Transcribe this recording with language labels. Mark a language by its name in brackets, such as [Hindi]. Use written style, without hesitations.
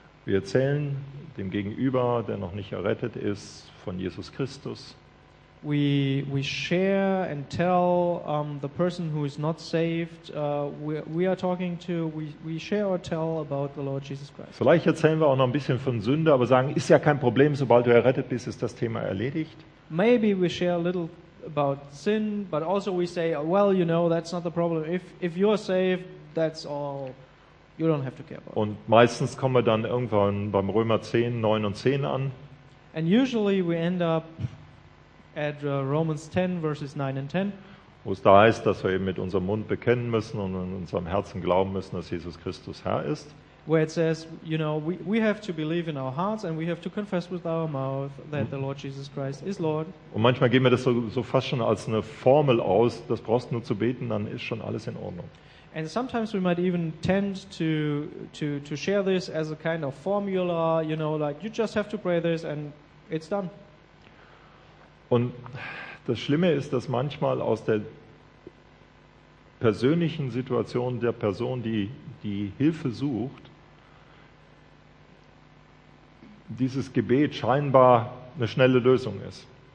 [German] Wir erzählen dem Gegenüber, der noch nicht errettet ist, von Jesus Christus. [English] We share and tell the person who is not saved, we are talking to, we share or tell about the Lord Jesus Christ. [German] Vielleicht erzählen wir auch noch ein bisschen von Sünde, aber sagen, ist ja kein Problem, sobald du errettet bist, ist das Thema erledigt. [English] Maybe we share a little about sin, but also we say, well, you know, that's not the problem. If you are saved, that's all. You don't have to care about it. [German] Und meistens kommen wir dann irgendwann beim Römer 10, 9 und 10 an. [English] And usually we end up at Romans 10, verses 9 and 10. [German] Wo es da heißt, dass wir eben mit unserem Mund bekennen müssen und in unserem Herzen glauben müssen, dass Jesus Christus Herr ist. [English] Where it says, you know, we have to believe in our hearts and we have to confess with our mouth that the Lord Jesus Christ is Lord. [German] Und manchmal geben wir das so fast schon als eine Formel aus, das brauchst nur zu beten, dann ist schon alles in Ordnung. [English] And sometimes we might even tend to share this as a kind of formula, you know, like you just have to pray this and it's done. [German] Und das Schlimme ist, dass manchmal aus der persönlichen Situation der Person, die Hilfe sucht, dieses Gebet scheinbar eine schnelle Lösung ist.